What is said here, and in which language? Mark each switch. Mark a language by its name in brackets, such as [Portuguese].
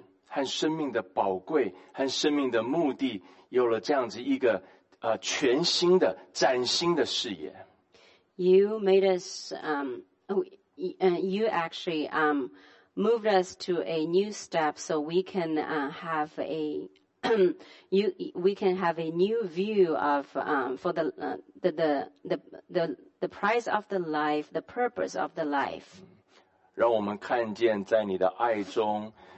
[Chinese] 你让我们对生命，你让我们对这个生命的价值和生命的宝贵和生命的目的。有了这样子一个全新的、崭新的视野。 [English] You made us, you actually moved us to a new step, so we can have a new view of for the price of the life, the purpose of the life. [Chinese] 让我们看见在你的爱中。